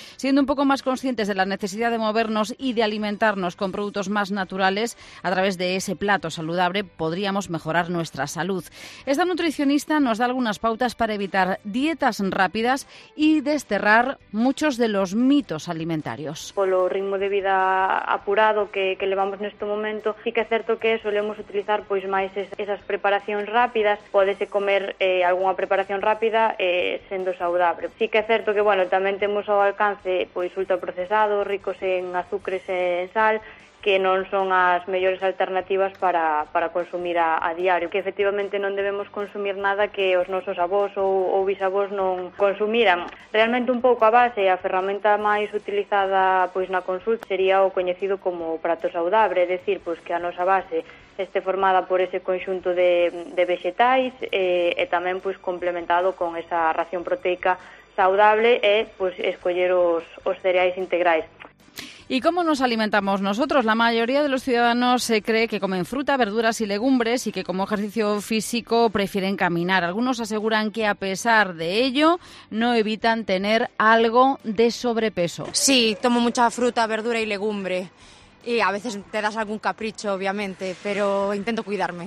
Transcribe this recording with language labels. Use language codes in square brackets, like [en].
[es] Siendo un poco más conscientes de la necesidad de movernos y de alimentarnos con productos más naturales a través de ese plato saludable, podríamos mejorar nuestra salud. Esta nutricionista nos da algunas pautas para evitar dietas rápidas y desterrar muchos de los mitos alimentarios. [gl] Polo ritmo de vida apurado que levamos neste momento, sí que é certo que solemos utilizar pois máis esas preparacións rápidas, podese comer algunha preparación rápida sendo saudable. Sí que é certo que, bueno, tamén temos ao alcance pois ultraprocesados, ricos en azúcares e en sal, que non son as mellores alternativas para consumir a diario, que efectivamente non debemos consumir nada que os nosos avós ou bisavós non consumiran. Realmente un pouco a base e a ferramenta máis utilizada pois na consulta sería o coñecido como prato saudable, é dicir, pois que a nosa base este formada por ese conxunto de vexetais e tamén pois complementado con esa ración proteica saudable e pois escoller os cereais integrais. [es] ¿Y cómo nos alimentamos nosotros? La mayoría de los ciudadanos se cree que comen fruta, verduras y legumbres y que como ejercicio físico prefieren caminar. Algunos aseguran que a pesar de ello no evitan tener algo de sobrepeso. Sí, tomo mucha fruta, verdura y legumbre. Y a veces te das algún capricho, obviamente, pero intento cuidarme.